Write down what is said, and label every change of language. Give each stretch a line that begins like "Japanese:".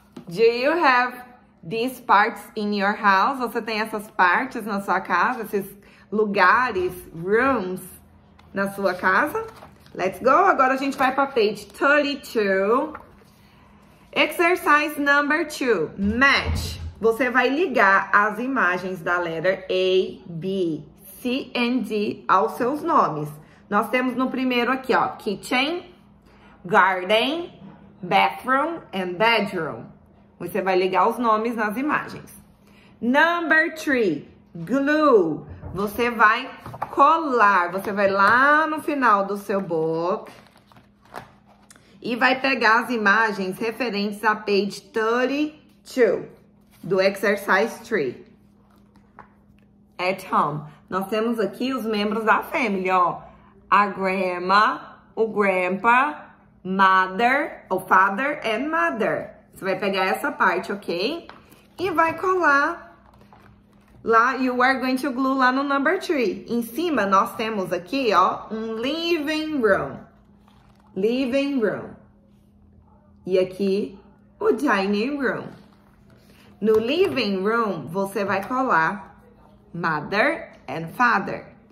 English: Do you have these parts in your house?
Portuguese: Você tem essas partes na sua casa, esses lugares, rooms, na sua casa?
English: Let's go.
Portuguese: Agora a gente vai para
English: page 32. Exercise number 2. Match.
Portuguese: Você vai ligar as imagens da
English: letter A, B, C and D
Portuguese: aos seus nomes. Nós temos no primeiro aqui, ó,
English: kitchen, garden, bathroom and bedroom.
Portuguese: Você vai ligar os nomes nas imagens.
English: Number 3, glue.
Portuguese: Você vai colar. Você vai lá no final do seu book e vai pegar as imagens referentes à page 32 do
English: exercise 3. At home.
Portuguese: Nós temos aqui os membros da family, ó.
English: A grandma, o grandpa, mother, o father and mother.
Portuguese: Você vai pegar essa parte, ok? E vai colar lá.
English: You are going to glue
Portuguese: lá no
English: number 3.
Portuguese: Em cima nós temos aqui, ó, um living room.
English: Living room.
Portuguese: E aqui o
English: dining room.
Portuguese: No living room você vai colar
English: mother and father.